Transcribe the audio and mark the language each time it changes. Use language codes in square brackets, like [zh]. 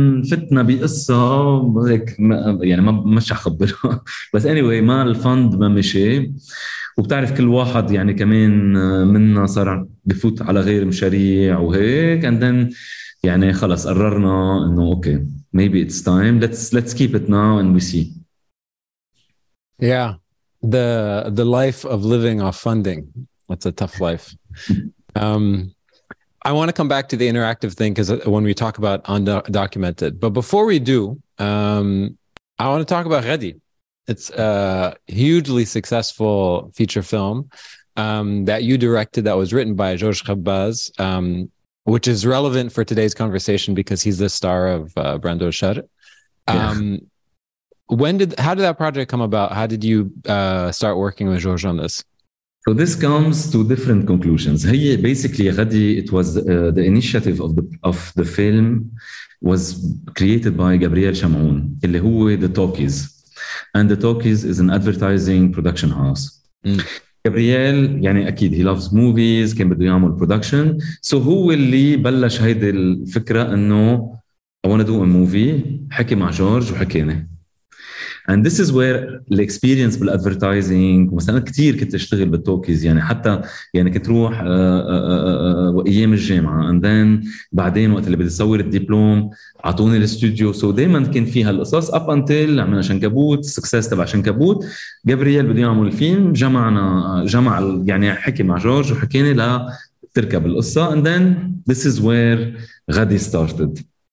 [ar] فتنا بقصة هيك يعني ما مش أخبرها بس anyway ما الفند ما مشي وبتعرف كل واحد يعني كمان منا صار بفوت على غير مشاريع وهيك [en] and then [ar] يعني خلص قررنا إنه [en] okay maybe it's time let's keep it now and we see yeah the life of living off funding it's a tough life I want to come back to the interactive thing because when we talk about undocumented. But before we do, I want to talk about Ready. It's a hugely successful feature film that you directed that was written by Georges Khabbaz, which is relevant for today's conversation because he's the star of Brando Sher. How did that project come about? How did you start working with Georges on this? So this comes to different conclusions. Basically, Ghadi, it was the initiative of the film was created by Gabriel Shamoun, who is the Talkies. And the Talkies is an advertising production house. [ar] Mm. Gabriel, يعني أكيد, [en] he loves movies, [ar] كان بده يعمل production. So هو اللي بلش هيدي الفكرة أنه [en] I want to do a movie, [ar] حكي مع جورج وحكينا. [en] And this is where the experience with advertising. [ar] مثلا كتير كنت اشتغل بالتوكيز يعني حتى يعني كنت روح ايام الجامعة and then بعدين وقت اللي بدي صور الدبلوم عطوني الاستوديو سو دايما كان فيها القصص [en] up until [ar] عملنا شنكبوت success تبع شنكبوت جابرييل بدي يعمل الفيلم جمع يعني حكي مع جورج وحكينا لا تركب القصة [en] and then this is where [ar] غادي started